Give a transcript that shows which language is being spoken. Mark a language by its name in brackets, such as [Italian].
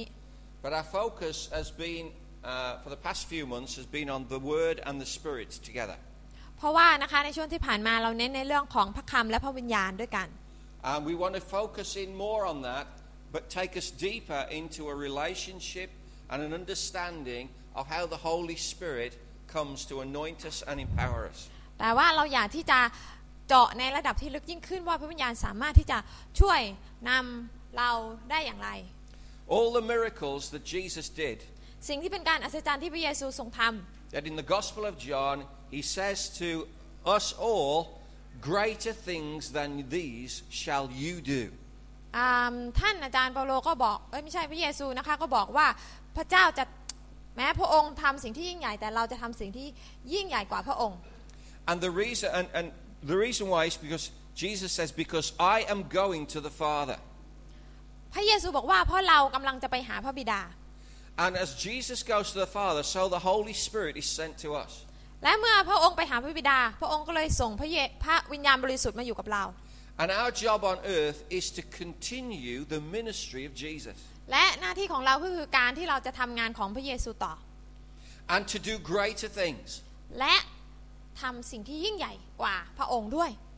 [English] But our focus has been for the past few months has been on the word and the spirit together [Thai] เพราะว่านะคะในช่วงที่ผ่านมาเราเน้นในเรื่องของพระคำและพระวิญญาณด้วยกัน [English] And we want to focus in more on that, but take us deeper into a relationship and an understanding of how the Holy Spirit comes to anoint us and empower us. [Thai] แต่ว่าเราอยากที่จะเจาะในระดับที่ลึกยิ่งขึ้นว่าพระวิญญาณสามารถที่จะช่วยนำเราได้อย่างไร [English] All the miracles that Jesus did. [Thai] สิ่งที่เป็นการอัศจรรย์ที่พระเยซูทรงทำ [English] That in the Gospel of John, he says to us all. Greater things than these shall you do. [Thai] ท่านอาจารย์เปาโลก็บอกไม่ใช่พระเยซูนะคะก็บอกว่าพระเจ้าจะแม้พระองค์ทำสิ่งที่ยิ่งใหญ่แต่เราจะทำสิ่งที่ยิ่งใหญ่กว่าพระองค์ [English] And the reason why is because Jesus says because I am going to the Father. [Thai] พระเยซูบอกว่าเพราะเรากำลังจะไปหาพระบิดา [English] And as Jesus goes to the Father, so the Holy Spirit is sent to us. [Thai] และเมื่อพระองค์ไปหาพระบิดาพระองค์ก็เลยส่งพระวิญญาณบริสุทธิ์มาอยู่กับเรา [English] And our job on earth is to continue the ministry of Jesus [Thai] และหน้าที่ของเราก็คือการที่เราจะทำงานของพระเยซูต่อ [English] And to do greater things [Thai] และทำสิ่งที่ยิ่งใหญ่กว่าพระองค์ด้วย